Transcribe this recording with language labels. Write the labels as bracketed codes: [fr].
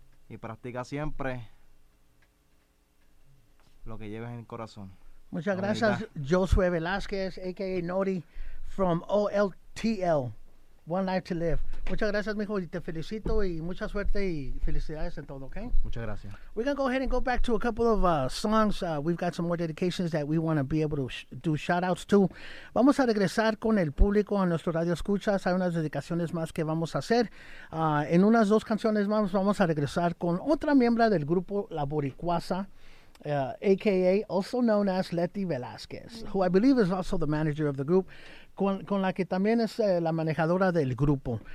[es] Y practica siempre lo que lleves en el corazón. Muchas gracias, Josué Velázquez, a.k.a. Nori, from OLTL, One Life to Live. Muchas gracias, mijo, y te felicito, y mucha suerte, y felicidades en todo, ¿okay? Muchas gracias. [en] We're going to go ahead and go back to a couple of songs. We've got some more dedications that we want to be able to do shout-outs to. [es] Vamos a regresar con el público a nuestro Radio Escuchas. Hay unas dedicaciones más que vamos a hacer. En unas dos canciones más vamos a regresar con otra miembro del grupo La Boricuaza, a.k.a. [en] also known as Leti Velázquez, who I believe is also the manager of the group, [es] con la que también es la manejadora del grupo.